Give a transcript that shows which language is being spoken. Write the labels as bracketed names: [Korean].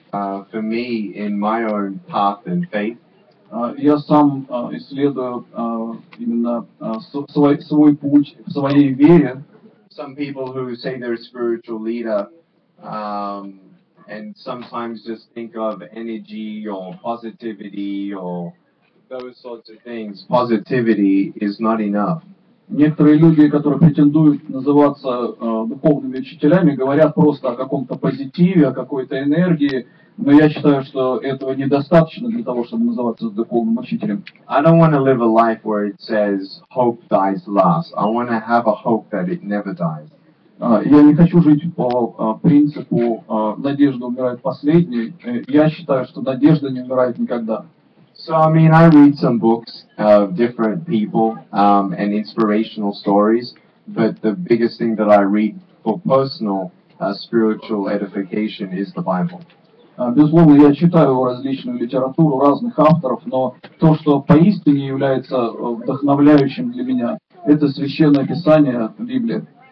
[English] for me in my own path and faith. [Russian] Я сам исследую именно свой путь в своей вере. [English] Some people who say they're a spiritual leader, and sometimes just think of energy or positivity or those sorts of things. Positivity is not enough. [Russian] Некоторые люди, которые претендуют называться духовными учителями, говорят просто о каком-то позитиве, о какой-то энергии, но я считаю, что этого недостаточно для того, чтобы называться духовным учителем. [English] I don't want to live a life where it says hope dies last. I want to have a hope that it never dies. [Russian] Я не хочу жить по принципу «надежда умирает последней». Я считаю, что надежда не умирает никогда. [English] So, I mean, I read some books of different people and inspirational stories, but the biggest thing that I read for personal spiritual edification is the Bible. [Russian] Безусловно, я читаю различную литературу разных авторов, но то, что поистине является вдохновляющим для меня, это Священное Писание, Библия.